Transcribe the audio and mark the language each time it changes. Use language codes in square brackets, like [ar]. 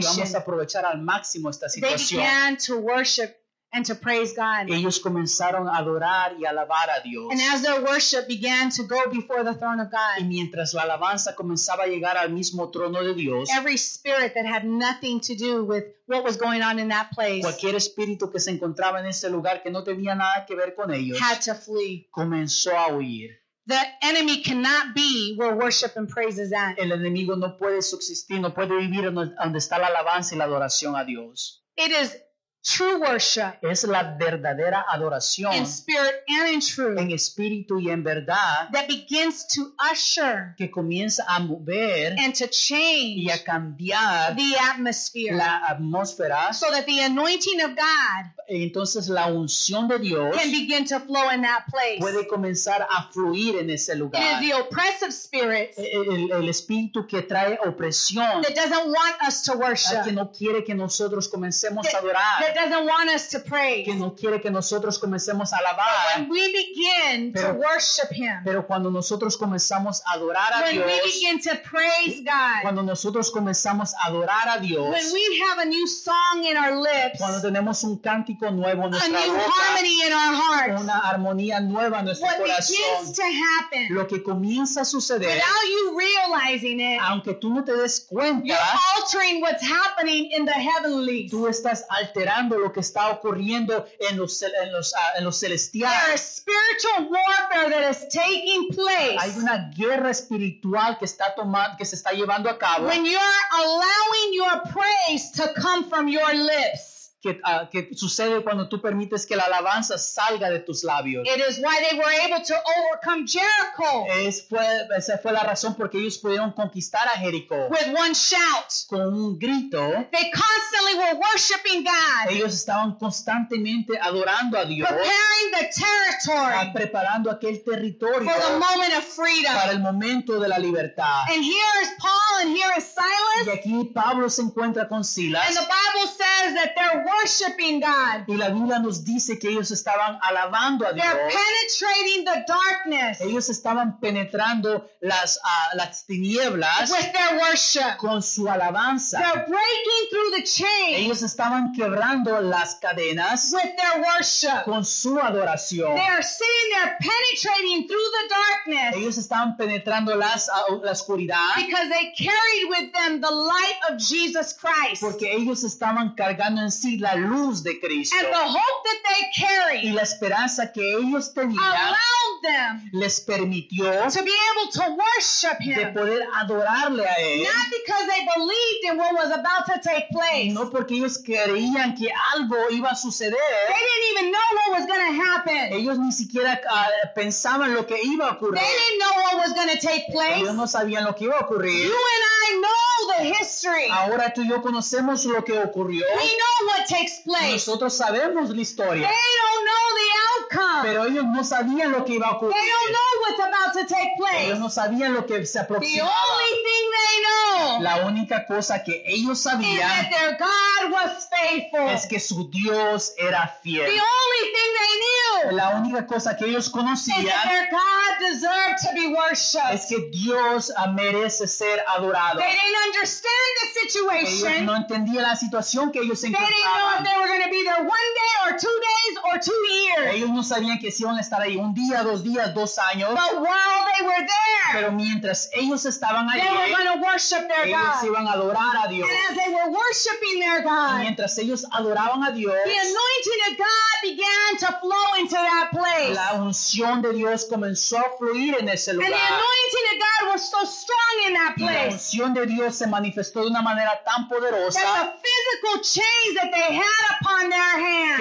[es] Y vamos a aprovechar al máximo esta situación. [en] They began to worship and to praise God. [es] Ellos comenzaron a adorar y alabar a Dios. [en] And as their worship began to go before the throne of God. [es] Y mientras la alabanza comenzaba a llegar al mismo trono de Dios. [en] Every spirit that had nothing to do with what was going on in that place. [es] Cualquier espíritu que se encontraba en ese lugar que no tenía nada que ver con ellos. [en] Had to flee. [es] Comenzó a huir. [en] The enemy cannot be where worship and praise is at. [es] El enemigo no puede subsistir, no puede vivir donde está la alabanza y la adoración a Dios. [en] It is true worship. [es] Es la verdadera adoración. [en] In spirit and in truth. [es] En espíritu y en verdad. [en] That begins to usher. [es] Que comienza a mover. [en] And to change. [es] Y a cambiar. [en] The atmosphere. [es] La atmósfera. [en] So that the anointing of God. [es] Entonces la unción de Dios. [en] Can begin to flow in that place. [es] Puede comenzar a fluir en ese lugar. [en] It is the oppressive spirits. [es] El espíritu que trae opresión. [en] That doesn't want us to worship. [es] Que no quiere que nosotros comencemos a adorar. [en] That doesn't want us to praise. [es] Que no quiere que nosotros comencemos a alabar. [en] When we begin to worship Him. [es] Pero cuando nosotros comenzamos a adorar a Dios. [en] When we begin to praise God. [es] Cuando nosotros comenzamos a adorar a Dios. [en] When we have a new song in our lips. [es] Cuando tenemos un cántico nuevo en nuestra boca. [en] A new harmony in our hearts. [es] Una armonía nueva en nuestro corazón. [en] What begins to happen. [es] Lo que comienza a suceder. [en] Without you realizing it. [es] Aunque tú no te des cuenta. [en] You're altering what's happening in the heavenlies. [es] Tú estás alterando mirando lo que está ocurriendo en los celestiales. [en] There is spiritual warfare that is taking place. [es] Hay una guerra espiritual que está tomando, que se está llevando a cabo. [en] When you are allowing your praise to come from your lips. [es] Que sucede cuando tú permites que la alabanza salga de tus labios. [en] It is why they were able to overcome Jericho. [es] Esa fue la razón porque ellos pudieron conquistar a Jericó. [en] With one shout. [es] Con un grito. [en] They constantly were worshiping God. [es] Ellos estaban constantemente adorando a Dios. [en] Preparing the territory. [es] Preparando aquel territorio. [en] For the moment of freedom. [es] Para el momento de la libertad. [en] And here is Paul and here is Silas. [es] Y aquí Pablo se encuentra con Silas. [en] And the Bible says that they're worshiping God. [es] Y la Biblia nos dice que ellos estaban alabando a Dios. [en] They're penetrating the darkness. [es] Ellos estaban penetrando las tinieblas. [en] With their worship. [es] Con su alabanza. [en] They're breaking through the chains. [es] Ellos estaban quebrando las cadenas. [en] With their worship. [es] Con su adoración. [en] They're sitting there penetrating through the darkness. [es] Ellos estaban penetrando la oscuridad. [en] Because they carried with them the light of Jesus Christ. [es] Porque ellos estaban cargando sí la luz de Cristo. [en] And the hope that they carried, [es] y la esperanza que ellos tenían, [en] allowed them, [es] les permitió, [en] to be able to worship him, [es] de poder adorarle a él, [en] not because they believed in what was about to take place, [es] no porque ellos creían que algo iba a suceder, [en] they didn't even know what was going to happen, [es] ellos ni siquiera pensaban lo que iba a ocurrir, [en] they didn't know what was going to take place, [es] ellos no sabían lo que iba a ocurrir, [en] you and I know the history, [es] ahora tú y yo conocemos lo que ocurrió, [en] we know what takes place. [es] Nosotros sabemos la historia. [en] They don't know the outcome. [es] Pero ellos no sabían lo que iba a ocurrir. [en] They don't know what's about to take place. [es] Ellos no sabían lo que se aproximaba. [en] The only thing they know, [es] la única cosa que ellos sabían, [en] is that their God was faithful. [es] Es que su Dios era fiel. [en] The only thing they knew, [es] la única cosa que ellos conocían, [en] is that their God deserved to be worshipped. [es] Es que Dios merece ser adorado. [en] They didn't understand the situation. [es] Ellos no entendían la situación que ellos encontraban. [en] They didn't know if they were going to be there one day or 2 days or 2 years. [es] Ellos no sabían que si iban a estar ahí un día, dos días, dos años. [en] But while they were there, [es] pero mientras ellos estaban allí, [en] they were going to worship their [es] ellos [en] God. [es] Ellos iban a adorar a Dios. [en] And as they were worshiping their God, [es] mientras ellos adoraban a Dios, [en] the anointing of God began to flow into that place. [es] La unción de Dios comenzó a fluir en ese lugar. [en] And the anointing of God was so strong in that place. [es] Y la unción de Dios se manifestó de una manera tan poderosa [en] that the physical change that they had upon their hands,